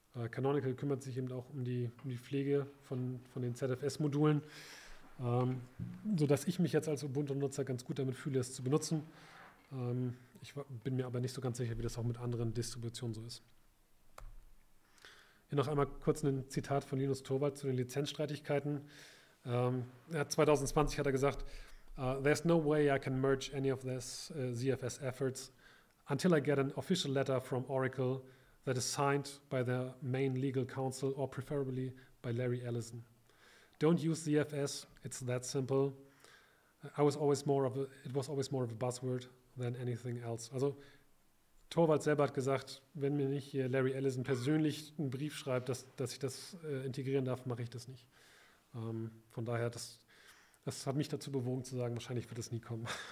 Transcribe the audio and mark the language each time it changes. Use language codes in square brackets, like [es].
[de] Canonical kümmert sich eben auch um die Pflege von den ZFS-Modulen, sodass ich mich jetzt als Ubuntu-Nutzer ganz gut damit fühle, es zu benutzen. Ich bin mir aber nicht so ganz sicher, wie das auch mit anderen Distributionen so ist. Hier noch einmal kurz ein Zitat von Linus Torvalds zu den Lizenzstreitigkeiten. [en] 2020 [de] hat er gesagt: [en] There's no way I can merge any of these ZFS efforts until I get an official letter from Oracle that is signed by their main legal counsel or preferably by Larry Ellison. Don't use ZFS, it's that simple. It was always more of a buzzword than anything else. [de] Also Torvalds selber hat gesagt, wenn mir nicht hier Larry Ellison persönlich einen Brief schreibt, dass ich das integrieren darf, mache ich das nicht. Von daher, das hat mich dazu bewogen zu sagen, wahrscheinlich wird es nie kommen.